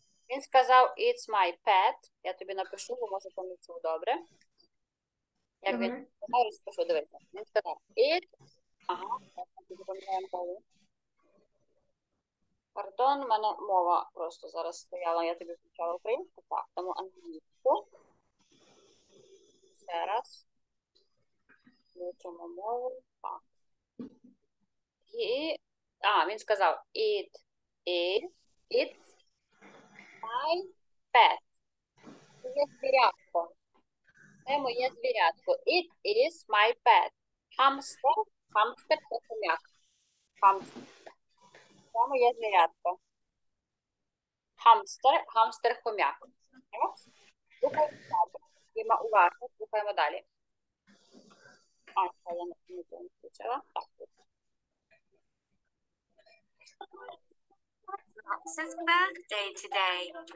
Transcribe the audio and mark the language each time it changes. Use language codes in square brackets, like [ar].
[uk] Він сказав [en] it's my pet. [uk] Я тобі напишу, бо може помітити добре. Як він сказав, розпишу, дивися. Він сказав it. Ага. Пардон, у мене мова просто зараз стояла. Я тобі включала українську, так, тому англійську. Ще раз. Включимо мову. Так. І. А, він сказав it is. [en] It's my pet. [uk] Моє звірятко. Це моє звірятко. [en] It is my pet. [uk] Хамстер. Хамстер – це хом'як. Хамстер. Це моє звірятко. Хамстер. Хамстер – хом'як. Слухаємо далі. Уважно. Слухаємо далі. А, це я нічого не включила. Так, тут. [en] What's his birthday today?